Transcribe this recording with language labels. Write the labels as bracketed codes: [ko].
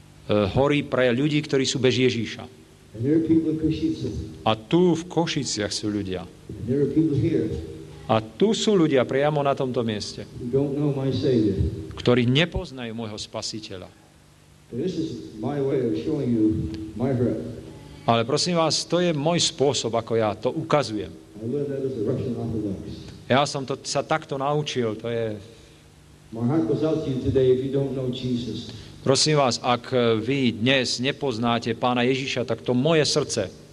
[sk] Horí pre ľudí, ktorí sú bez Ježíša. [en] And there are people in Košice. [sk] A tu v Košiciach sú ľudia. [en] And there are people here. [sk] A tu sú ľudia priamo na tomto mieste, [en] who don't know my Savior. [sk] Ktorí nepoznajú môjho Spasiteľa. [en] This is my way of showing you my breath. [sk] Ale prosím vás, to je môj spôsob, ako ja to ukazujem. [en] I learned that as a Russian Orthodox. [sk] Ja som to sa takto naučil, to je... [en] My heart goes out to you today if you don't know Jesus. [sk] Prosím vás, ak vy dnes nepoznáte Pána Ježiša, tak to moje srdce.